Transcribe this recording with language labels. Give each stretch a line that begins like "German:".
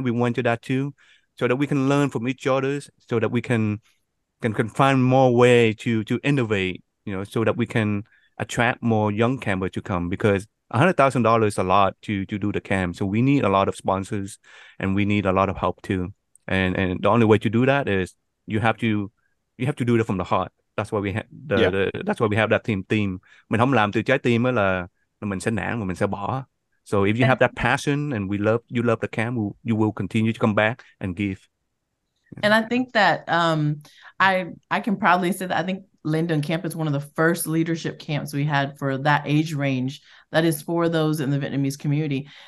English: We went to that too, so that we can learn from each other's, so that we can find more way to innovate, you know, so that we can attract more young campers to come. Because $100,000 is a lot to do the camp, so we need a lot of sponsors and we need a lot of help too, and the only way to do that is you have to do it from the heart. That's why we have that's why we have that theme.
Vietnamese: Mình không làm từ trái tim là mình sẽ nản, mình sẽ bỏ.
English: So if you have that passion and we love you love the camp, you will continue to come back and give. And I think that I can proudly say that I think Linden Camp. It's one of the first leadership camps we had for that age range that is for those in the Vietnamese community.